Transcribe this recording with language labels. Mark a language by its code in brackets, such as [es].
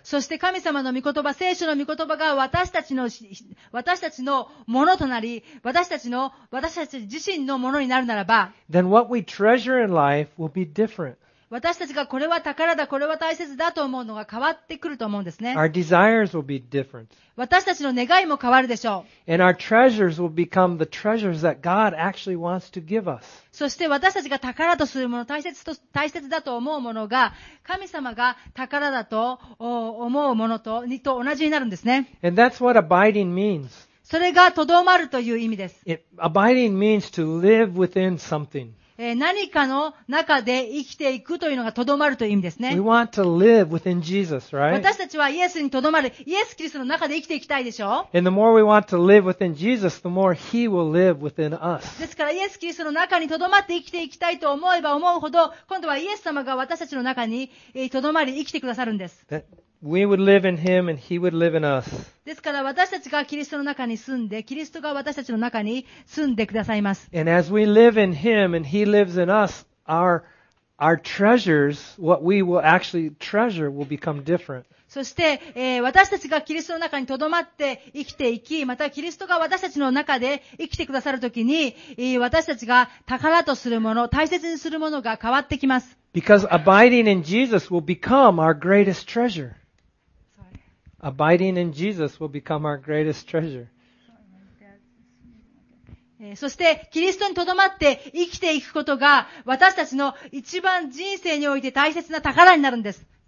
[ja] そして神様の御言葉、聖書の御言葉が私たちのものとなり、私たち自身のものになるならば、 [en] then what we treasure in life will be different. [ja] 私たちがこれは宝だ、これは大切だと思うのが変わってくると思うんですね。 [en] Our desires will be different. [ja] 私たちの願いも変わるでしょう。 [en] And our treasures will become the treasures that God actually wants to give us. [ja] そして私たちが宝とするもの、大切だと思うものが、神様が宝だと思うものと、にと同じになるんですね。 [en] And that's what abiding means. [ja] それがとどまるという意味です。 [en] Abiding means to live within something. [ja] 何かの中で生きていくというのがとどまるという意味ですね。 [en] We want to live within Jesus, right? [ja] 私たちはイエスにとどまる、イエス・キリストの中で生きていきたいでしょう。 [en] And the more we want to live within Jesus, the more He will live within us. [ja] ですからイエス・キリストの中にとどまって生きていきたいと思えば思うほど、今度はイエス様が私たちの中にとどまり生きてくださるんです。 [en] We would live in Him and He would live in us. [ja] ですから私たちがキリストの中に住んで、キリストが私たちの中に住んでくださいます。 [en] And as we live in Him and He lives in us, our treasures, what we will actually treasure will become different. [ja] そして、私たちがキリストの中に留まって生きていき、またキリストが私たちの中で生きてくださるときに、私たちが宝とするもの、大切にするものが変わってきます。 [en] Because abiding in Jesus will become our greatest treasure. Abiding in Jesus will become our greatest treasure. [ja] そしてキリストに留まって生きていくことが私たちの一番人生において大切な宝になるんです。